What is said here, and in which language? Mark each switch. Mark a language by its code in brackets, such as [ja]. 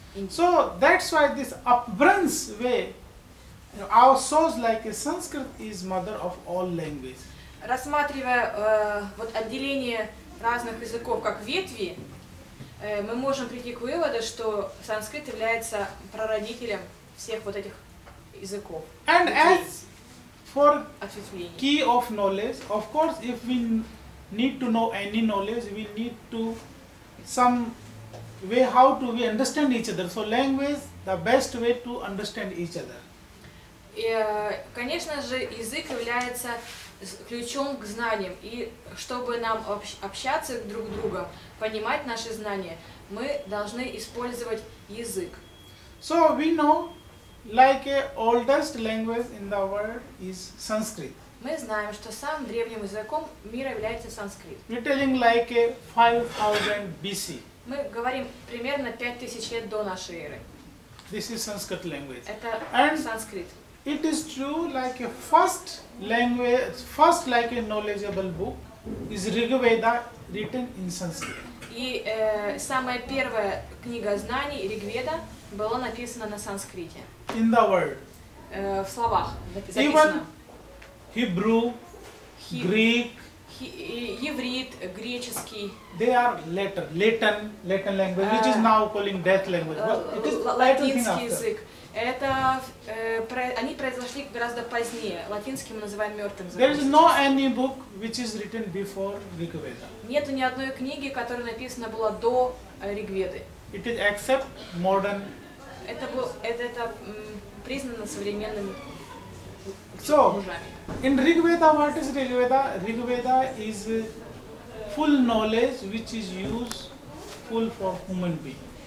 [en] So that's why this upbringing way, you know, our souls like a Sanskrit is mother of all language. [ru] Рассматривая вот отделение разных языков как ветви, мы можем прийти к выводу, что санскрит является прародителем всех вот этих языков. [en] And as for key of knowledge, of course, if we need to know any knowledge, we need to some way how to we understand each other. So language the best way to understand each other. [ru] И, конечно же, язык является ключом к знаниям. И чтобы нам общаться друг с другом, понимать наши знания, мы должны использовать язык. [en] So we know like the oldest language in the world is Sanskrit. [ru] Мы знаем, что самым древним языком мира является санскрит. [en] We're telling like 5000 BC. [ru] Мы говорим примерно 5000 лет до нашей эры. [en] This is Sanskrit language. [ru] Это санскрит. [en] It is true like a first language, first like a knowledgeable book is Rigveda written in Sanskrit. [ru] И самая первая книга знаний Ригведа была написана на санскрите. [en] In the world. [ru] В словах записано. [en] Hebrew, Greek, [ru] еврит, греческий. [en] They are letter, Latin language, which is now calling death language. It is [ru] латинский язык. Это они произошли гораздо позднее. Латинский мы называем мертвым языком. [en] There is no any book which is written before Ригведа. [ru] Нет ни одной книги, которая написана была до Ригведы. [en] It is except modern. [ru] Это признано современным. [en] So, in Rigveda, what is Rigveda? Rigveda is full knowledge which is used full for human being.